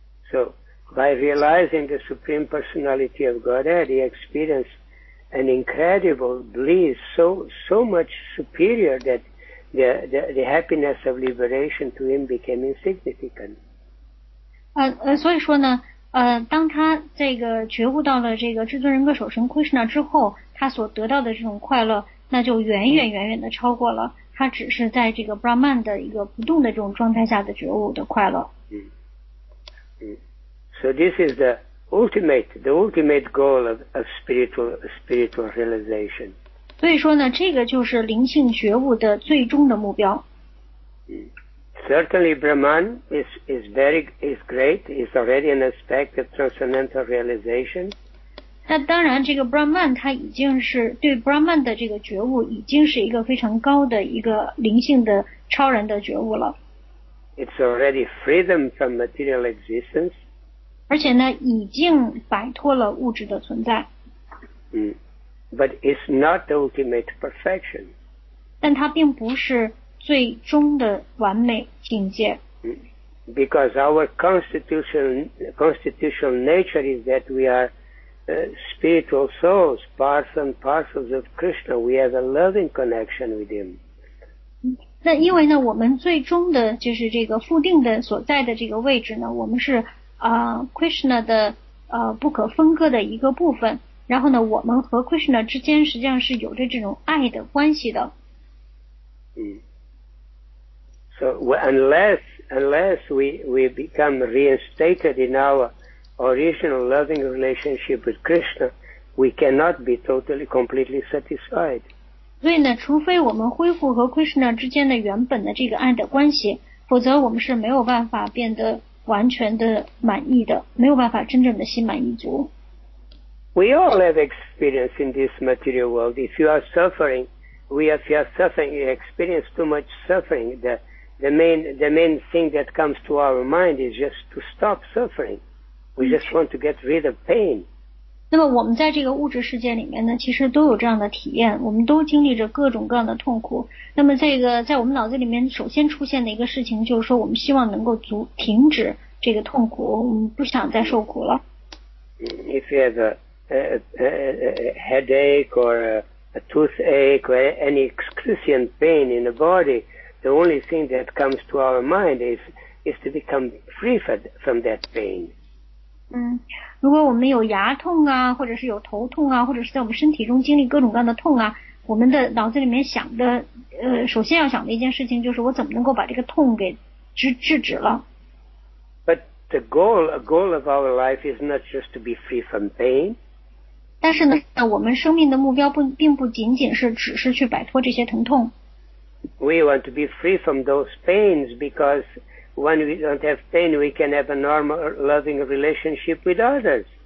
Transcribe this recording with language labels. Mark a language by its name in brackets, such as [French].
[English] So, by realizing the Supreme Personality of Godhead, he experienced an incredible bliss, so much superior that the happiness of liberation to him became insignificant. [Chinese] 所以说呢，当他这个觉悟到了这个至尊人格守神 Krishna 之后，他所得到的这种快乐，那就远远远远的超过了他只是在这个 Brahman 的一个不动的这种状态下的觉悟的快乐。 [English] So this is the ultimate goal of spiritual realization. [Chinese] 所以说呢，这个就是灵性觉悟的最终的目标。 [English] Certainly, Brahman is great. Is already an aspect of transcendental realization. [Chinese] 那当然，这个 Brahman 它已经是对 Brahman 的这个觉悟已经是一个非常高的一个灵性的超然的觉悟了。 [English] It's already freedom from material existence. [Chinese] 而且呢，已经摆脱了物质的存在。 [English] But it's not the ultimate perfection. [Chinese] 但它并不是最终的完美境界。 [English] Because our constitutional nature is that we are spiritual souls, parts and parcels of Krishna. We have a loving connection with Him. [Chinese] 那因为呢，我们最终的就是这个附定的所在的这个位置呢，我们是。 Krishna 的不可分割的一个部分，然后呢，我们和 Krishna 之间实际上是有着这种爱的关系的。 [English] So unless we become reinstated in our original loving relationship with Krishna, we cannot be totally completely satisfied. [Chinese] 所以呢，除非我们恢复和 Krishna 之间的原本的这个爱的关系，否则我们是没有办法变得。完全的满意的，没有办法真正的心满意足。 [English] We all have experience in this material world. If you are suffering, you experience too much suffering. The main thing that comes to our mind is just to stop suffering. We just want to get rid of pain. [Chinese] 那么我们在这个物质世界里面呢，其实都有这样的体验，我们都经历着各种各样的痛苦。那么这个在我们脑子里面首先出现的一个事情就是说，我们希望能够停止这个痛苦，我们不想再受苦了。 [English] If you have a headache or a toothache or any excruciating pain in the body, the only thing that comes to our mind is to become free from that pain. [Chinese] 如果我们有牙痛啊，或者是有头痛啊，或者是在我们身体中经历各种各样的痛啊，我们的脑子里面想的首先要想的一件事情就是我怎么能够把这个痛给制止了。 [English] But the goal of our life is not just to be free from pain. [Chinese] 但是呢，我们生命的目标并不仅仅是只是去摆脱这些疼痛。 [English] We want to be free from those pains because when we don't have pain, we can have a normal loving relationship with others.